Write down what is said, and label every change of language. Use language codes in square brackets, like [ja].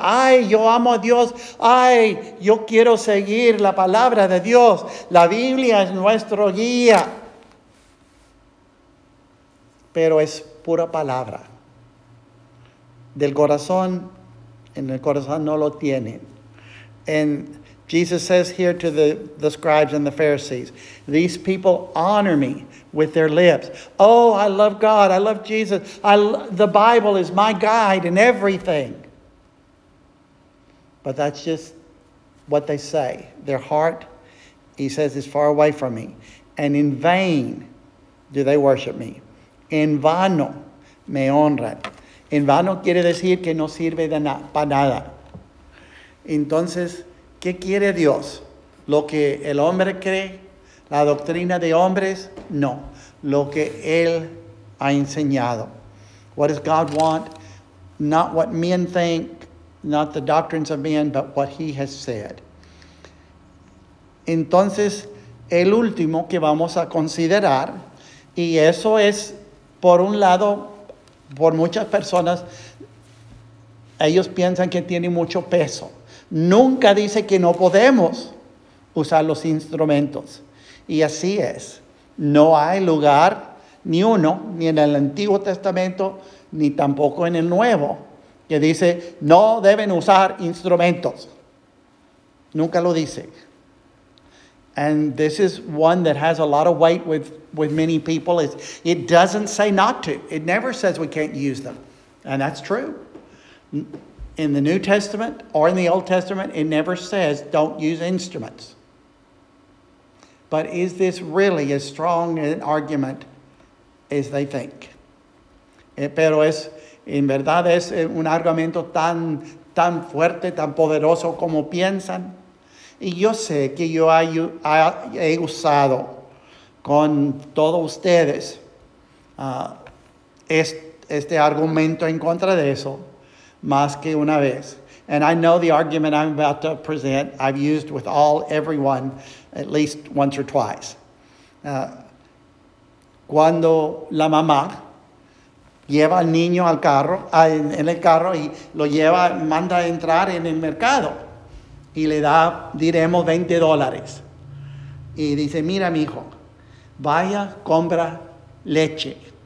[es] Ay, yo amo a Dios. Ay, yo quiero seguir la palabra de Dios. La Biblia es nuestro guía. Pero es pura palabra. Del corazón, en el corazón no lo tienen. [en] And Jesus says here to the scribes and the Pharisees, these people honor me with their lips. Oh, I love God. I love Jesus. The Bible is my guide in everything. But that's just what they say. Their heart, he says, is far away from me. And in vain do they worship me. [es] En vano me honran. En vano quiere decir que no sirve de para nada. Entonces, ¿qué quiere Dios? ¿Lo que el hombre cree? ¿La doctrina de hombres? No. Lo que Él ha enseñado. [en] What does God want? Not what men think, not the doctrines of men, but what He has said. [es] Entonces, el último que vamos a considerar, y eso es, por un lado, por muchas personas, ellos piensan que tiene mucho peso. Nunca dice que no podemos usar los instrumentos. Y así es. No hay lugar, ni uno, ni en el Antiguo Testamento, ni tampoco en el Nuevo, que dice, no deben usar instrumentos. Nunca lo dice. [en] And this is one that has a lot of weight with many people. It doesn't say not to. It never says we can't use them. And that's true. In the New Testament or in the Old Testament, it never says don't use instruments. But is this really as strong an argument as they think? [es] Pero es, en verdad es un argumento tan fuerte, tan poderoso como piensan. Y yo sé que yo he usado con todos ustedes este argumento en contra de eso más que una vez. [en] And I know the argument I'm about to present, I've used with everyone at least once or twice. [es] Cuando la mamá lleva al niño al carro, en el carro y lo lleva, manda a entrar en el mercado y le da, diremos, $20. Y dice, mira, mi hijo, vaya, compra leche.